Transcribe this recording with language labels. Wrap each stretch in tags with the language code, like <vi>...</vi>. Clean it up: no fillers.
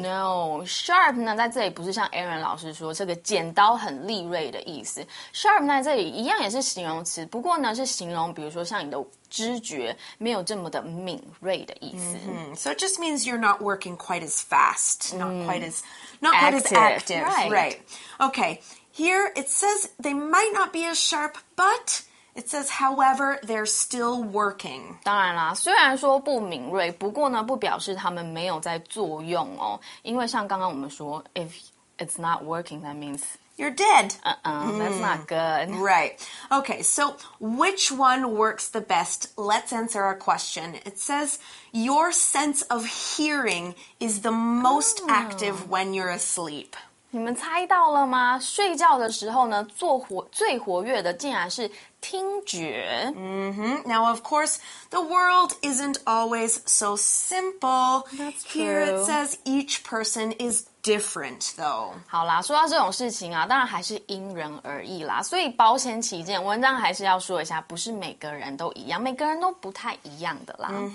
<en>No</en> <zh>sharp 呢在这里不是像 Aaron 老师说这个剪刀很利锐的意思 sharp 呢在这里一样也是形容词不过呢是形容比如说像你的知觉没有这么的敏锐的意思。</zh> <en>So it just means you're not working quite as fast, not quite as active. Right. Okay, here it says they might not be as sharp, but it says, however, they're still working.</en> <zh>当然啦，虽然说不敏锐，不过呢，不表示他们没有在作用哦。因为像刚刚我们说</zh> <en>,if it's not working, that means... You're dead. That's not good. Right. Okay, so which one works the best? Let's answer our question. It says, your sense of hearing is the most active when you're asleep.</en> <zh>你们猜到了吗？睡觉的时候呢，最活跃的竟然是听觉。</zh> <en>Now, of course, the world isn't always so simple. That's true. Here it says each person is different, though.</en> <zh>好啦，说到这种事情啊，当然还是因人而异啦。所以保险起见，文章还是要说一下，不是每个人都一样，每个人都不太一样的啦。</zh>